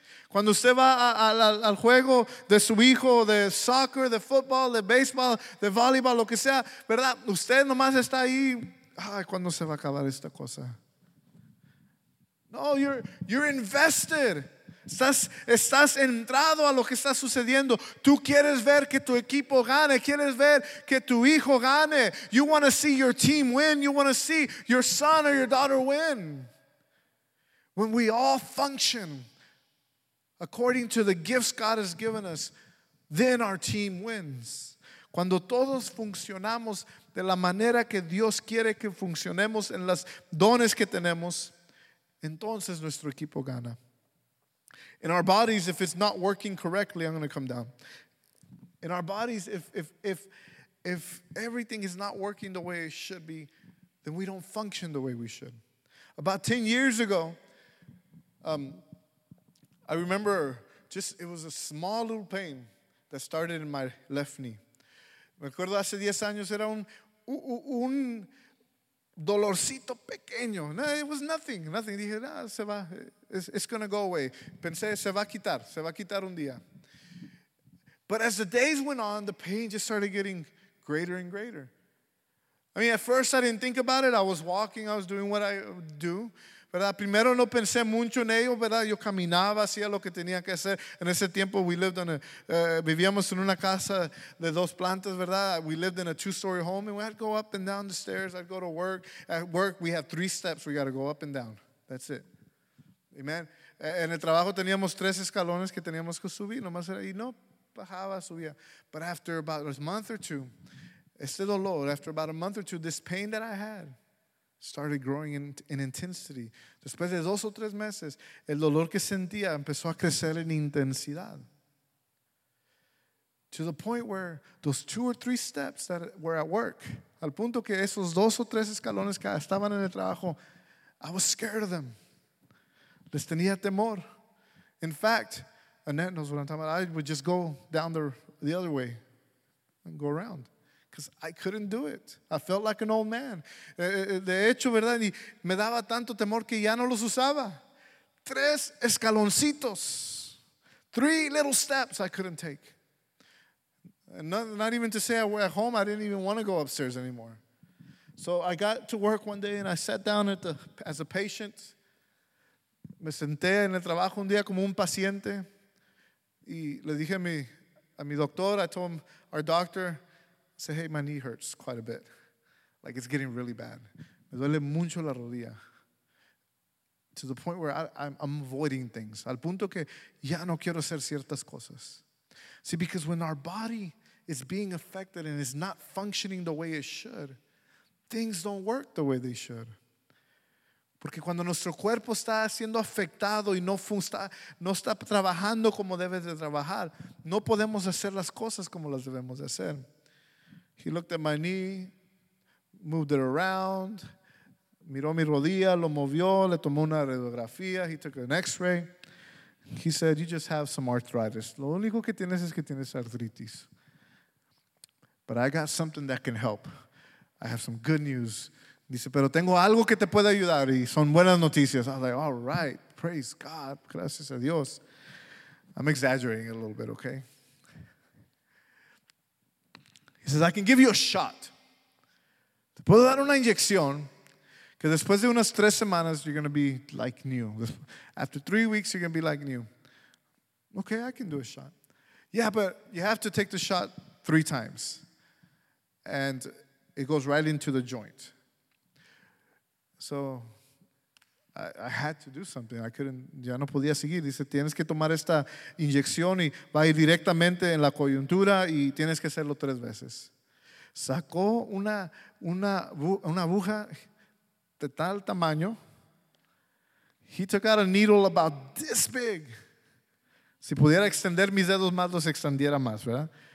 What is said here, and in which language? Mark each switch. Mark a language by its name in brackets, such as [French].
[Spanish] Cuando usted va al juego de su hijo, de soccer, de football, de baseball, de volleyball, lo que sea, ¿verdad? Usted nomás está ahí, ay, ¿cuándo se va a acabar esta cosa? [English] No, you're invested. [Spanish] Estás entrado a lo que está sucediendo. Tú quieres ver que tu equipo gane. Quieres ver que tu hijo gane. [English] You want to see your team win. You want to see your son or your daughter win. When we all function according to the gifts God has given us, then our team wins. [Spanish] Cuando todos funcionamos de la manera que Dios quiere que funcionemos en las dones que tenemos, entonces nuestro equipo gana. [English] In our bodies, if it's not working correctly, I'm going to come down. In our bodies, if everything is not working the way it should be, then we don't function the way we should. About 10 years ago, I remember it was a small little pain that started in my left knee. [Spanish] Me acuerdo hace 10 años era un dolorcito pequeño. [English] No, it was nothing. [Spanish] Dije, ah, se va. [English] It's going to go away. [Spanish] Pensé, se va a quitar un día. [English] But as the days went on, the pain just started getting greater and greater. I mean, at first I didn't think about it. I was walking, I was doing what I do. [Spanish] ¿Verdad? Primero no pensé mucho en ello, ¿verdad? Yo caminaba, hacía lo que tenía que hacer. En ese tiempo, vivíamos en una casa de dos plantas, ¿verdad? [English] We lived in a two-story home, and I'd go up and down the stairs. I'd go to work. At work, we have 3 steps. We got to go up and down. That's it. Amen. [Spanish] En el trabajo teníamos 3 escalones que teníamos que subir. Nomás era, y no bajaba, subía. [English] But after about a month or two, [Spanish] este dolor, [English] after about a month or two, this pain that I had started growing in intensity. [Spanish] Después de 2 o 3 meses, el dolor que sentía empezó a crecer en intensidad. [English] To the point where those 2 or 3 steps that were at work, [Spanish] al punto que esos 2 o 3 escalones que estaban en el trabajo, [English] I was scared of them. [Spanish] Les tenía temor. [English] In fact, Annette knows what I'm talking about. I would just go down the other way and go around. Because I couldn't do it. I felt like an old man. [Spanish] De hecho, ¿verdad? Y me daba tanto temor que ya no los usaba. 3 escaloncitos. [English] 3 little steps I couldn't take. Not even to say at home, I didn't even want to go upstairs anymore. So I got to work one day and I sat down as a patient. [Spanish] Me senté en el trabajo un día como un paciente. Y le dije a mi doctor, [English] I told him, our doctor, say, hey, my knee hurts quite a bit. Like, it's getting really bad. [Spanish] Me duele mucho la rodilla. [English] To the point where I'm avoiding things. [Spanish] Al punto que ya no quiero hacer ciertas cosas. [English] See, because when our body is being affected and is not functioning the way it should, things don't work the way they should. [Spanish] Porque cuando nuestro cuerpo está siendo afectado y no está trabajando como debe de trabajar, no podemos hacer las cosas como las debemos de hacer. [English] He looked at my knee, moved it around, [Spanish] miró mi rodilla, lo movió, le tomó una radiografía, [English] he took an x-ray. He said, you just have some arthritis. [Spanish] Lo único que tienes es que tienes arthritis. [English] But I got something that can help. I have some good news. [Spanish] Dice, pero tengo algo que te puede ayudar y son buenas noticias. [English] I was like, all right, praise God, [Spanish] gracias a Dios. [English] I'm exaggerating a little bit, okay? He says, I can give you a shot. [Spanish] Te puedo dar una inyección que después de unas 3 semanas [English] you're going to be like new. After 3 weeks you're going to be like new. Okay, I can do a shot. Yeah, but you have to take the shot 3 times. And it goes right into the joint. So I had to do something. I couldn't, [Spanish] ya no podía seguir. Dice, tienes que tomar esta inyección y va a ir directamente en la coyuntura y tienes que hacerlo 3 veces. Sacó una aguja de tal tamaño. [English] He took out a needle about this big. [Spanish] Si pudiera extender mis dedos más, los extendiera más, ¿verdad?